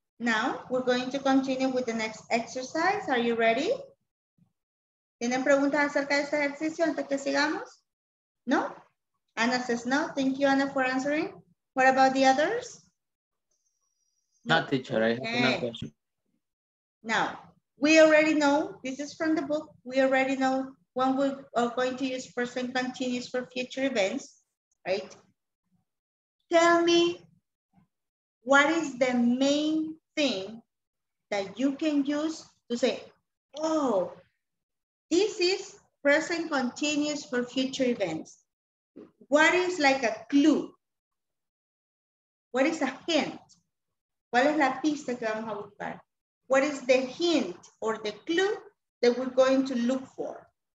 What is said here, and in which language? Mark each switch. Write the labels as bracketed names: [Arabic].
[English] Now, we're going to continue with the next exercise. Are you ready? [Spanish] ¿Tienen preguntas acerca de este ejercicio antes que sigamos? [English] No? Ana says no. Thank you, Ana, for answering. What about the others? No, teacher. I have no question. Now, we already know, this is from the book, we already know when we are going to use present continuous for future events, right? Tell me what is the main thing that you can use to say, oh, this is present continuous for future events. What is like a clue? What is a hint? [Spanish] ¿Cuál es la pista que vamos a buscar? [English] What is the hint or the clue that we're going to look for?